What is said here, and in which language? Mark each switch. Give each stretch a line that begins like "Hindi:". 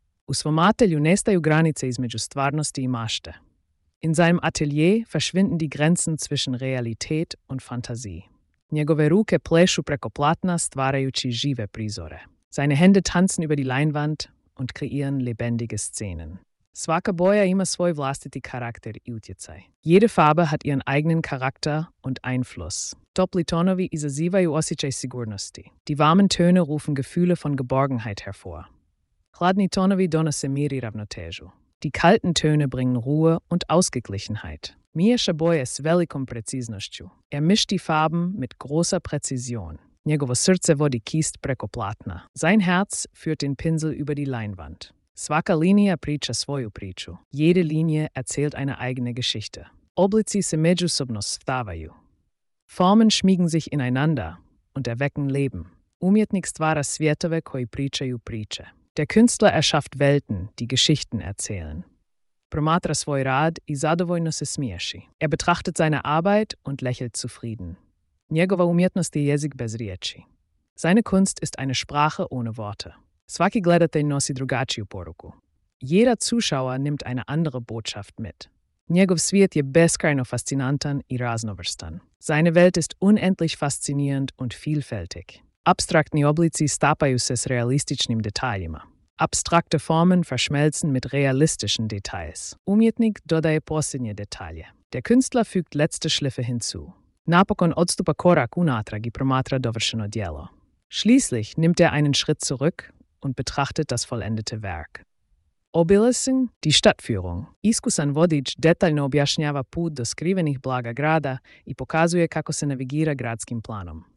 Croatian: U svom atelju nestaju granice između stvarnosti i mašte.
German: In seinem Atelier verschwinden die Grenzen zwischen Realität und Fantasie.
Croatian: Njegove ruke plešu preko platna stvarajući žive prizore.
German: Seine Hände tanzen über die Leinwand und kreieren lebendige Szenen.
Croatian: Svaka boja ima svoj vlastiti karakter i utjecaj.
German: Jede Farbe hat ihren eigenen Charakter und Einfluss.
Croatian: Topli tonovi izazivaju osjećaj sigurnosti.
German: Die warmen Töne rufen Gefühle von Geborgenheit hervor.
Croatian: Hladni tonovi donose mir i ravnotežu.
German: Die kalten Töne bringen Ruhe und Ausgeglichenheit.
Croatian: Miješa boje s velikom preciznošću.
German: Mischt die Farben mit großer Präzision.
Croatian: Njegovo srce vodi kist preko platna.
German: Sein Herz führt den Pinsel über die Leinwand.
Croatian: Svaka linija priča svoju priču.
German: Jede Linie erzählt eine eigene Geschichte.
Croatian: Oblici se međusobno stavaju.
German: Formen schmiegen sich ineinander und erwecken Leben.
Croatian: Umjetnik stvara svjetove koji pričaju priče.
German: Der Künstler erschafft Welten, die Geschichten erzählen.
Croatian: Promatra svoj rad i zadovoljno se smiješi.
German: Betrachtet seine Arbeit und lächelt zufrieden.
Croatian: Njegova umjetnost je jezik bez riječi.
German: Seine Kunst ist eine Sprache ohne Worte.
Croatian: Svaki gledatelj nosi drugačiju poruku.
German: Jeder Zuschauer nimmt eine andere Botschaft mit.
Croatian: Njegov svijet je beskrajno fascinantan i raznovrstan.
German: Seine Welt ist unendlich faszinierend und vielfältig.
Croatian: Abstraktni oblici stapaju se s realističnim detaljima.
German: Abstrakte Formen verschmelzen mit realistischen Details.
Croatian: Umjetnik dodaje posljednje detalje.
German: Der Künstler fügt letzte Schliffe hinzu.
Croatian: Napokon odstupa korak unatrag i promatra dovršeno djelo.
German: Schließlich nimmt einen Schritt zurück und betrachtet das vollendete Werk.
Croatian: Obilasin,
German: die Stadtführung.
Croatian: Iskusan vodič detaljno objašnjava put do skrivenih blaga grada i pokazuje kako se navigira gradskim planom.